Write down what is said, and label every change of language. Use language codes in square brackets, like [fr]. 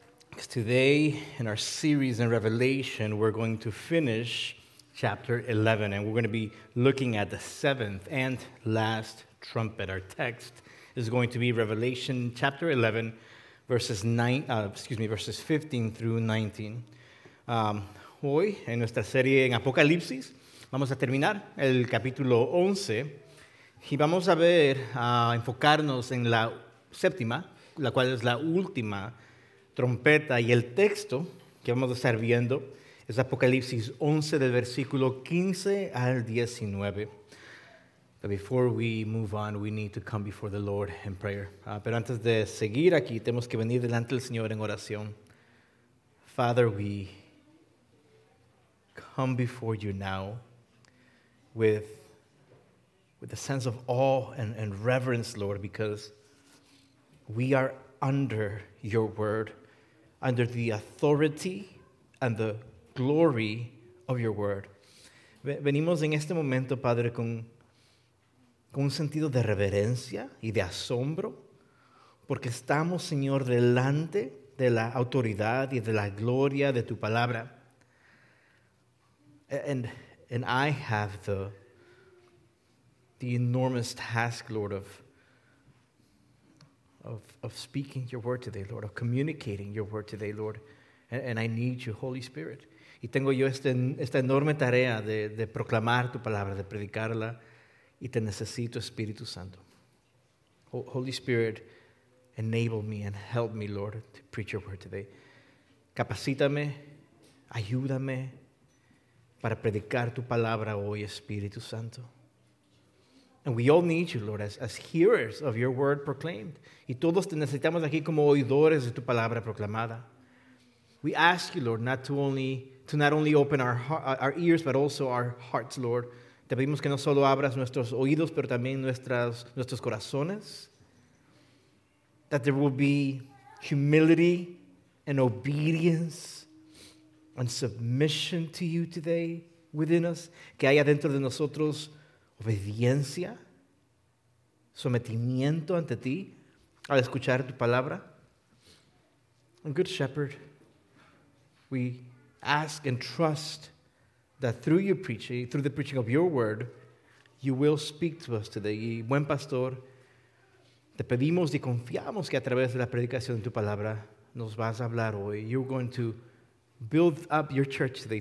[en] Because today, in our series in Revelation, we're going to finish chapter 11, and we're going to be looking at the seventh and last trumpet. Our text is going to be Revelation chapter 11, verses 15 through 19. [es] Hoy, en nuestra serie en Apocalipsis, vamos a terminar el capítulo 11 y vamos a ver, a enfocarnos en la séptima, la cual es la última trompeta. Y el texto que vamos a estar viendo es Apocalipsis 11, del versículo 15 al 19. [en] But before we move on, we need to come before the Lord in prayer. [es] Pero antes de seguir aquí, tenemos que venir delante del Señor en oración. [en] Father, we come before you now with a sense of awe and reverence, Lord, because we are under your word, under the authority and the glory of your word. [es] Venimos en este momento, Padre, con un sentido de reverencia y de asombro, porque estamos, Señor, delante de la autoridad y de la gloria de tu palabra. [en] And I have the enormous task, Lord, of speaking your word today, Lord, of communicating your word today, Lord. And I need you, Holy Spirit. [es] Y tengo yo esta enorme tarea de proclamar tu palabra, de predicarla, y te necesito, Espíritu Santo. [en] Holy Spirit, enable me and help me, Lord, to preach your word today. [es] Capacítame, ayúdame para predicar tu palabra hoy, Espíritu Santo. [en] And we all need you, Lord, as hearers of your word proclaimed. [es] Y todos te necesitamos aquí como oidores de tu palabra proclamada. [en] We ask you, Lord, not only open our ears, but also our hearts, Lord. [es] Te pedimos que no solo abras nuestros oídos, pero también nuestros corazones. [en] That there will be humility and obedience and submission to you today within us. [es] Que haya dentro de nosotros obediencia, sometimiento ante ti al escuchar tu palabra. [en] And good shepherd, we ask and trust that through your preaching, through the preaching of your word, you will speak to us today. [es] Y buen pastor, te pedimos y confiamos que a través de la predicación de tu palabra nos vas a hablar hoy. [en] You're going to build up your church today.